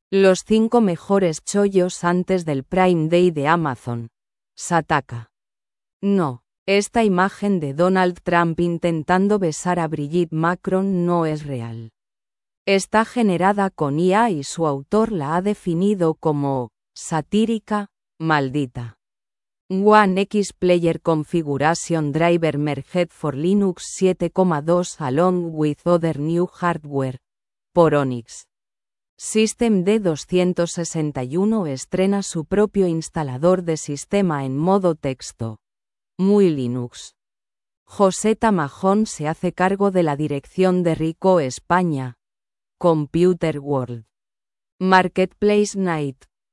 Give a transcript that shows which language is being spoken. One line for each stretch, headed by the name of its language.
Spanish: Los 5 mejores chollos antes del Prime Day de Amazon. Sataka. No, esta imagen de Donald Trump intentando besar a Brigitte Macron no es real. Está generada con IA y su autor la ha definido como satírica, maldita.
English: One X Player Configuration Driver Merged for Linux 7.2 along with other new hardware.
Spanish: Por Onyx. Systemd 261 estrena su propio instalador de sistema en modo texto. Muy Linux. José Tamajón se hace cargo de la dirección de Rico España. Computer World. Marketplace Night.